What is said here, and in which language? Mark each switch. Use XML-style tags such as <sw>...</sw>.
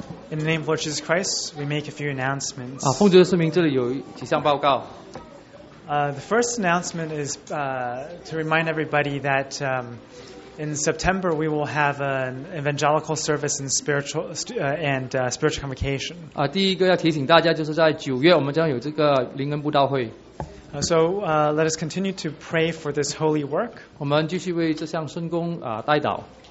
<en>In the name of Lord Jesus Christ, we make a few announcements.</en> <zh>奉主的圣名这里有几项报告。</zh> <en>The first announcement is to remind everybody that In September, we will have an evangelical service and spiritual convocation.</en> <zh>第一个要提醒大家，就是在九月我们将有这个灵恩布道会。</zh> <en>So let us continue to pray for this holy work.</en> <zh>我们继续为这项圣工代祷。</zh>